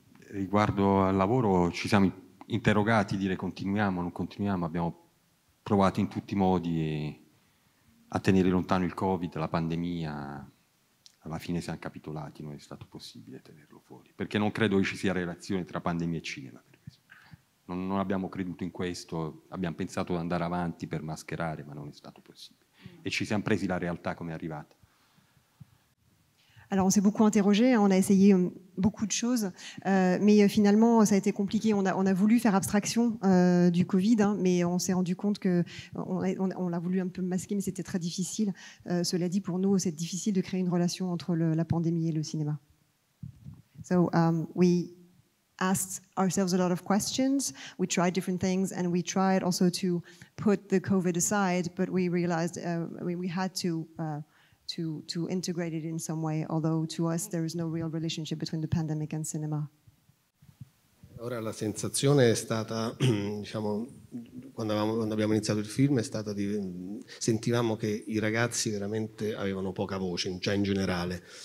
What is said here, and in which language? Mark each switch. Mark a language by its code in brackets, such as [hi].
[it] Riguardo al lavoro, ci siamo interrogati, dire continuiamo, non continuiamo, abbiamo provato in tutti i modi a tenere lontano il Covid, la pandemia, alla fine siamo capitolati, non è stato possibile tenerlo fuori, perché non credo che ci sia relazione tra pandemia e cinema, per esempio. Non abbiamo creduto in questo, abbiamo pensato di andare avanti per mascherare, ma non è stato possibile, e ci siamo presi la realtà come è arrivata. [fr] Alors on s'est beaucoup interrogé, on a essayé beaucoup de choses, mais finalement ça a été compliqué. On a voulu faire abstraction du Covid, hein, mais on s'est rendu compte que on l'a voulu un peu masquer, mais c'était très difficile. Cela dit, pour nous, c'est difficile de créer une relation entre la pandémie et le cinéma. [en] So we asked ourselves a lot of questions. We tried different things, and we tried also to put the Covid aside, but we realized we had to integrate it in some way, although to us there is no real relationship between the pandemic and cinema. [it] Ora la sensazione è stata, diciamo, quando abbiamo iniziato il film, è stata di sentivamo che i ragazzi veramente avevano poca voce, già in generale.